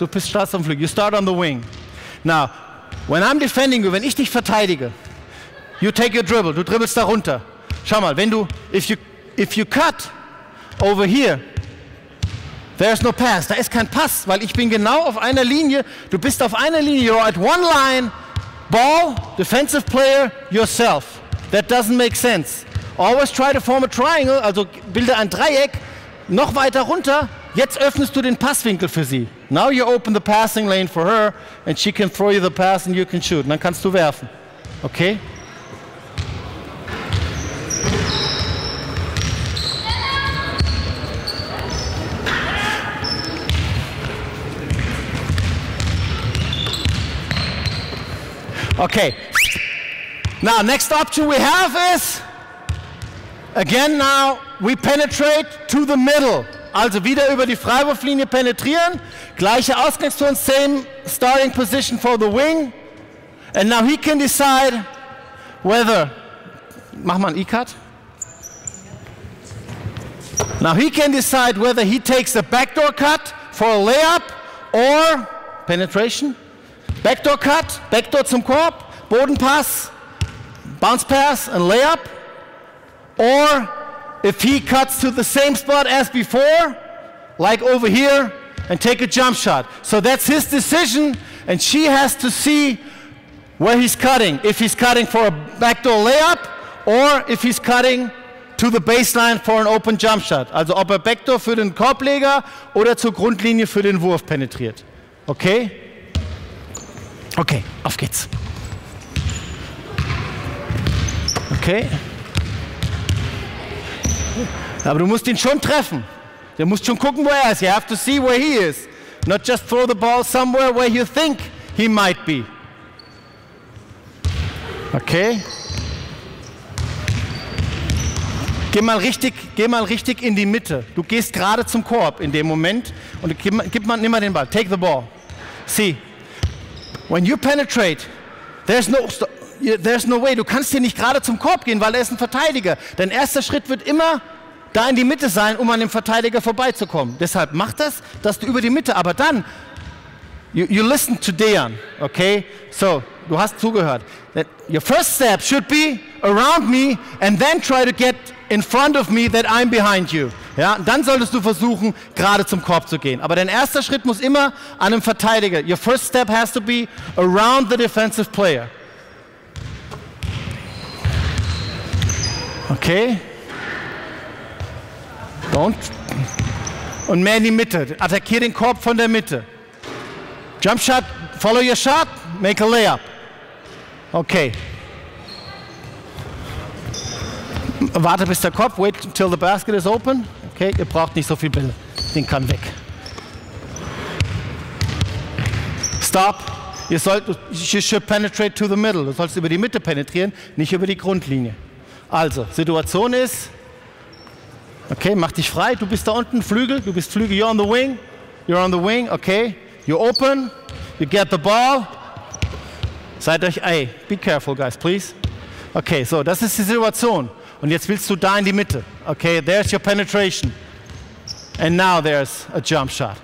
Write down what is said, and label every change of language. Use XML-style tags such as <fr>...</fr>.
<de>Du bist Start am Flügel.</de> <en>You start on the wing. Now, when I'm defending you,</en> <de>wenn ich dich verteidige,</de> <en>you take your dribble.</en> <de>Du dribbelst da runter. Schau mal, wenn du,</de> <en>if you cut over here, there's no pass.</en> <de>Da ist kein Pass, weil ich bin genau auf einer Linie. Du bist auf einer Linie.</de> <en>You're at one line, ball, defensive player, yourself. That doesn't make sense. Always try to form a triangle, also bilde ein Dreieck, noch weiter runter.</en> <de>Jetzt öffnest du den Passwinkel für sie.</de> <en>Now you open the passing lane for her, and she can throw you the pass, and you can shoot.</en> <de>Und dann kannst du werfen. Okay? Okay.</de> <en>Now, next option we have is, again now, we penetrate to the middle.</en> <de>Also wieder über die Freiwurflinie penetrieren. Gleiche Ausgangston,</de> <en>same starting position for the wing. And now he can decide whether,</en> <de>mach mal einen E-Cut.</de> <en>Now he can decide whether he takes a backdoor cut for a layup or penetration. Backdoor cut,</en> <de>backdoor zum Korb, Bodenpass,</de> <en>bounce pass and layup. Or if he cuts to the same spot as before, like over here, and take a jump shot. So that's his decision, and she has to see where he's cutting. If he's cutting for a backdoor layup, or if he's cutting to the baseline for an open jump shot.</en> <de>Also ob er backdoor für den Korbleger oder zur Grundlinie für den Wurf penetriert.</de> <en>Okay?</en> <de>Okay, auf geht's. Okay. Aber du musst ihn schon treffen. Du musst schon gucken, wo er ist.</de> <en>You have to see where he is. Not just throw the ball somewhere where you think he might be. Okay.</en> <de>Geh mal richtig in die Mitte. Du gehst gerade zum Korb in dem Moment. Und nimm mal den Ball.</de> <en>Take the ball. See. When you penetrate, there's no way.</en> <de>Du kannst hier nicht gerade zum Korb gehen, weil er ist ein Verteidiger. Dein erster Schritt wird immer da in die Mitte sein, um an dem Verteidiger vorbeizukommen. Deshalb mach das, dass du über die Mitte, aber dann,</de> <en>you listen to Dejan, okay?</en> <de>So, du hast zugehört.</de> <en>That your first step should be around me and then try to get in front of me that I'm behind you.</en> <de>Ja, dann solltest du versuchen, gerade zum Korb zu gehen. Aber dein erster Schritt muss immer an einem Verteidiger.</de> <en>Your first step has to be around the defensive player. Okay.</en> <de>Und mehr in die Mitte. Attackier den Korb von der Mitte.</de> <en>Jump shot, follow your shot, make a layup. Okay.</en> <de>Warte bis der Korb,</de> <en>wait until the basket is open.</en> <de>Okay, ihr braucht nicht so viel Bälle. Den kann weg.</de> <en>Stop. You should penetrate to the middle.</en> <de>Du sollst über die Mitte penetrieren, nicht über die Grundlinie. Also, Situation ist, okay, mach dich frei. Du bist da unten, Flügel. Du bist Flügel.</de> <en>You're on the wing. You're on the wing. Okay. You open. You get the ball.</en> <de>Seid euch,</de> <en>ey, be careful, guys, please.</en> <de>Okay, so, das ist die Situation. Und jetzt willst du da in die Mitte.</de> <en>Okay, there's your penetration. And now there's a jump shot.</en>